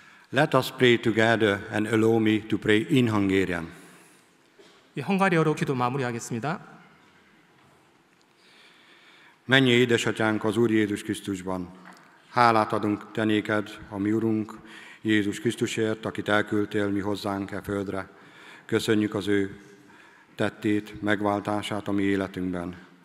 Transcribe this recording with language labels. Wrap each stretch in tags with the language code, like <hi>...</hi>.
<en>Let us pray together and allow me to pray in Hungarian.</en> <ko>헝가리어로 기도 마무리하겠습니다.</ko> <hu>menj édesatyánk az Úr Jézus Krisztusban. Hálát adunk te néked, a mi Urunk Jézus Krisztusért, akit elküldtél mi hozzánk e földre. Köszönjük az ő tettét, megváltását a mi életünkben.</hu>